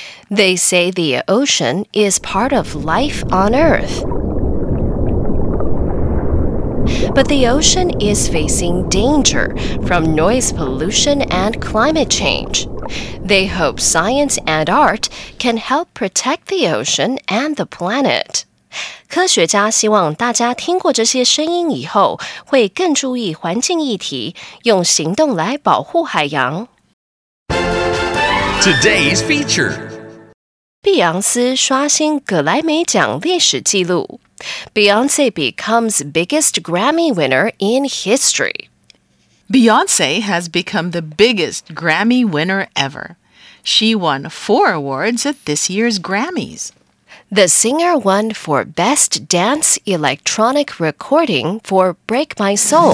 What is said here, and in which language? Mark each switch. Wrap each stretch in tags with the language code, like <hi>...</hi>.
<en>They say the ocean is part of life on Earth. But the ocean is facing danger from noise pollution and climate change. They hope science and art can help protect the ocean and the planet.</en> <zh>科学家希望大家听过这些声音以后会更注意环境议题，用行动来保护海洋。</zh> <en>Today's feature.</en> <zh>碧昂斯刷新葛萊美獎歷史記錄。</zh> <en>Beyonce becomes biggest Grammy winner in history. Beyonce has become the biggest Grammy winner ever. She won 4 awards at this year's Grammys. The singer won for Best Dance Electronic Recording for Break My Soul.</en>